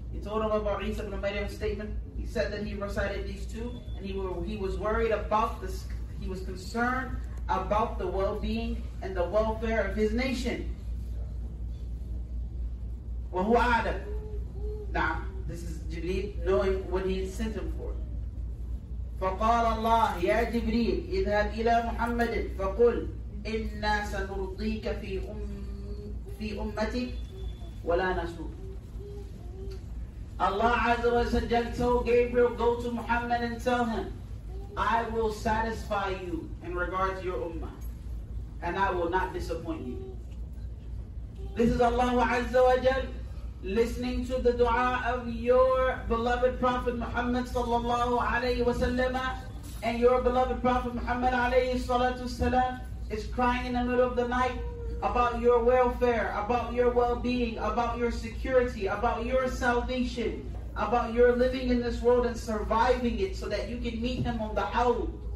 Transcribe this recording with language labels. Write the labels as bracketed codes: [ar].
[en] He told him about Isa ibn Maryam's statement. He said that he recited these two, and he was worried about this. He was concerned about the well-being and the welfare of his nation. [ar] وهو أعلم. [en] Now, this is Jibreel knowing what he sent him for. [ar] فقال الله يا جبريل اذهب إلى محمد فقل إنا سنرضيك في أمتك ولا نسوك. [en] Allah Azza wa Jal told Gabriel, go to Muhammad and tell him, I will satisfy you in regard to your ummah, and I will not disappoint you. This is Allah Azza wa Jal listening to the dua of your beloved Prophet Muhammad sallallahu alayhi wa sallam, and your beloved Prophet Muhammad alayhi salatu salam is crying in the middle of the night about your welfare, about your well-being, about your security, about your salvation, about your living in this world and surviving it so that you can meet him on the hawd.